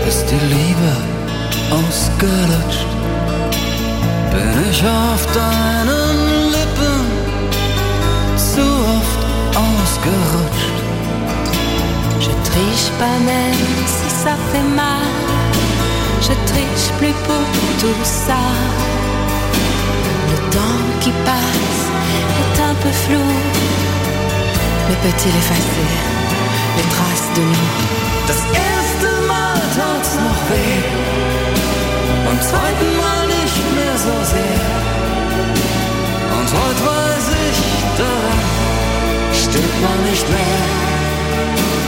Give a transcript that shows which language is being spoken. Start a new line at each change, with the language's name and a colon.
German: die Liebe ausgelutscht, bin ich auf deinen Lippen zu oft ausgerutscht.
French: Je triche pas même si ça fait mal, je triche plus pour tout ça. Le temps qui passe est un peu flou, mais peut-il effacer les traces de nous?
German: Das erste Mal tat's noch weh, beim zweiten Mal nicht mehr so sehr. Und heute weiß ich, daran stimmt man nicht mehr.